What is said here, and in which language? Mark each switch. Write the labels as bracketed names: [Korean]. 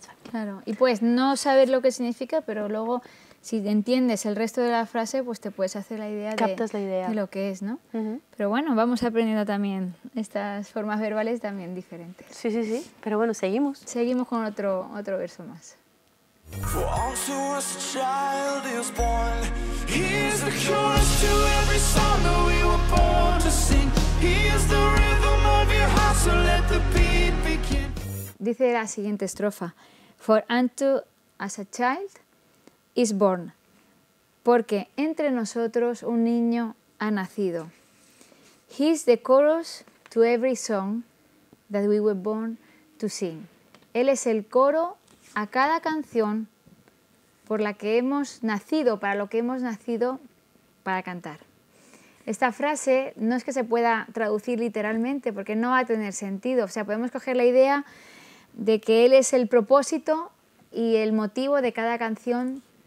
[Spanish] Claro, y puedes no saber lo que significa, pero luego si entiendes el resto de la frase, pues te puedes hacer la idea, captas de, la idea de lo que es, ¿no? Uh-huh. Pero bueno, vamos aprendiendo también estas formas verbales también diferentes. Sí, sí, sí. Pero bueno, seguimos. Seguimos con otro verso más. [English] For unto us a child is born. He is the chorus to every song that we were born to sing. He is the rhythm of your heart, so let the beat begin. [Spanish] Dice la siguiente estrofa: [English] For unto us a child is born. [Spanish] Porque entre nosotros un niño ha nacido. [English] He is the chorus to every song that we were born to sing. [Spanish] Él es el coro a cada canción por la que hemos nacido, para lo que hemos nacido para cantar. Esta frase no es que se pueda traducir literalmente, porque no va a tener sentido. O sea, podemos coger la idea de que él es el propósito y el motivo de cada canción.